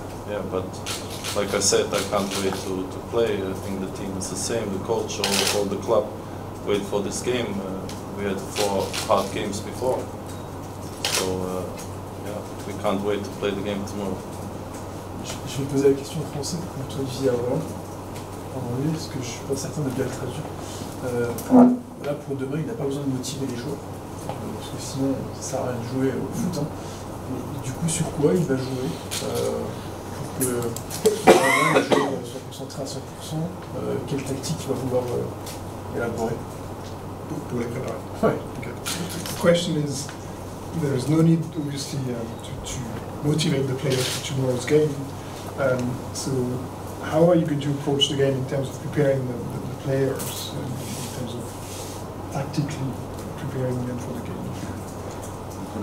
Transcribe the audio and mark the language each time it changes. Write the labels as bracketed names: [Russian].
[English] Yeah, but like I said, I can't wait to play. I think the team is the same, the coach, all the club wait for this game. We had 4 hard games before. So, yeah, we can't wait to play the game tomorrow. [French] Je vais poser la question en français pour que toi, Vivier, avant. En anglais, parce que je ne suis pas certain de bien le traduire. Là, pour demain, il n'a pas besoin de motiver les joueurs. Parce que sinon, ça ne sert à rien de jouer au foot. Hein. Mais, du coup, sur quoi il va jouer pour que vraiment, les joueurs soient concentrés à 100%, quelle tactique il va vouloir élaborer pour les préparer. Ouais. [English] Okay. Question is. There is no need, obviously, to motivate the players for tomorrow's game. So how are you going to approach the game in terms of preparing the players, in terms of tactically preparing them for the game?